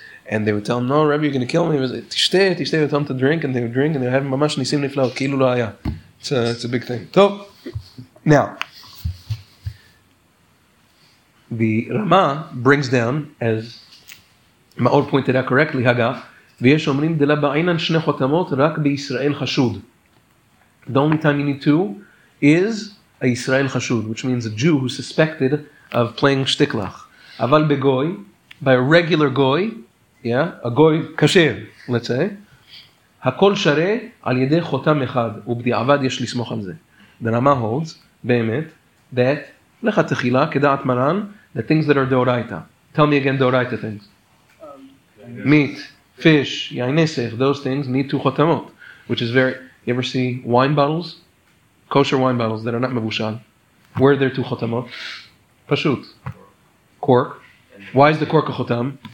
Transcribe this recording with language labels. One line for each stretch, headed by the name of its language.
English: And they would tell him, "No, Rebbe, you're going to kill me." He was like, "Tishtei, tell him to drink," and they would drink, and they would have
Hebrew: mamash nisim niflao, kilu la'aya.
English: It's a big thing. So, now, the Rama brings down, as Ma'or pointed out correctly, Hagaf,
Hebrew: ויש אומרים דלה בעינן שני חותמות רק בישראל חשוד.
English: The only time you need two is a Israel חשוד, which means a Jew who suspected of playing shtiklach.
Hebrew: אבל בגוי,
English: by a regular goy, yeah, a goy kasher, let's say,
Hebrew: הכל שרה על ידי חותם אחד, ובדיעבד יש לסמוך על זה.
English: The Rama holds, באמת, that,
Hebrew: לך תחילה, כדעת מרן,
English: the things that are דאורייתא. Tell me again דאורייתא things. Meat, fish, יין נסך, those things need two חותמות, which is very, you ever see wine bottles? Kosher wine bottles that are not מבושל. Where are there two חותמות? פשוט. Cork. Why is the cork a חותם?